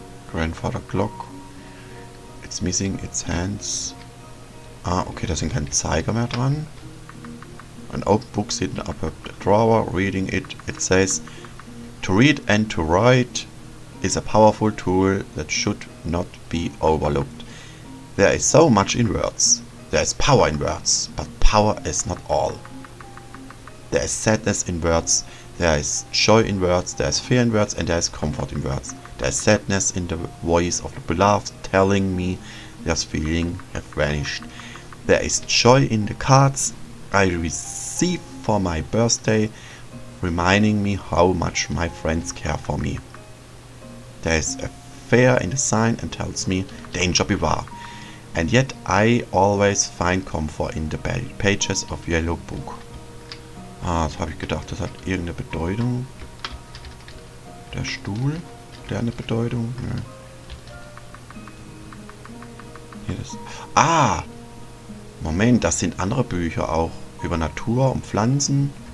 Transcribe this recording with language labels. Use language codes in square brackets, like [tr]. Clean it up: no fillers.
[en] Grandfather Clock. It's missing its hands. [de] Ah, okay, da sind keine Zeiger mehr dran. [en] An open book sitting up a drawer, reading it. It says, to read and to write is a powerful tool that should not be overlooked. There is so much in words. There is power in words, but power is not all. There is sadness in words, there is joy in words, there is fear in words, and there is comfort in words. There is sadness in the voice of the beloved telling me their feelings have vanished. There is joy in the cards I receive for my birthday, reminding me how much my friends care for me. There is a fair in the sign and tells me, danger beware. And yet I always find comfort in the pages of Yellow Book. [de] Ah, das habe ich gedacht, das hat irgendeine Bedeutung. Der Stuhl, der eine Bedeutung. Ja. Hier das. Ah! Moment, das sind andere Bücher auch. Über Natur und Pflanzen.